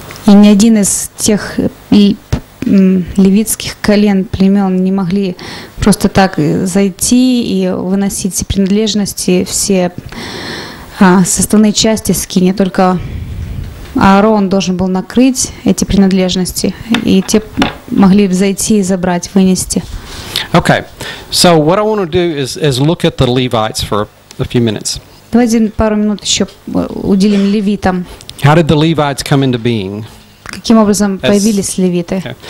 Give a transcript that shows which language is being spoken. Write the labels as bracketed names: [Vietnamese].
[Russian] И ни один из тех левитских колен племен не могли просто так зайти и выносить принадлежности все. Со стороны части скини только Аарон должен был накрыть эти принадлежности, и те могли зайти и забрать, вынести. [English] Okay, so what I want to do is look at the Levites for a few minutes. [Russian] Давайте пару минут еще уделим левитам. [English] How did the Levites come into being? [Russian] Каким образом появились левиты?